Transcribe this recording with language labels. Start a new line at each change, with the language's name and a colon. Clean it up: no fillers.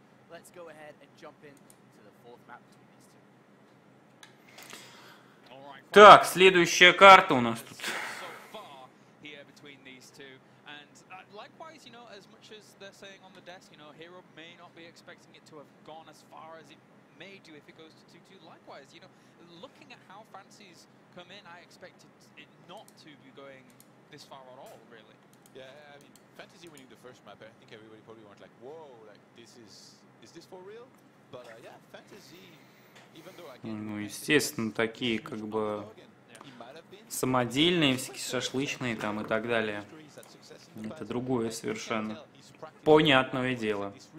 English: Let's go ahead and jump in to the fourth map between these two.
Russian: Так, следующая карта у нас тут.
English: Likewise, you know, as much as they're saying on the desk, you know, Hero may not be expecting it to have gone as far as it may do if it goes to 2-2. Likewise, you know, looking at how fancies come in, I expected it not to be going this far at all, really. Yeah, I mean, Fantasy winning the first map, I think everybody probably went like, whoa, like, is this for real? But, yeah, Fantasy, even though I can't...
Russian: Ну, естественно, такие, как бы, самодельные, всякие шашлычные там и так далее. Это другое совершенно. Понятное дело.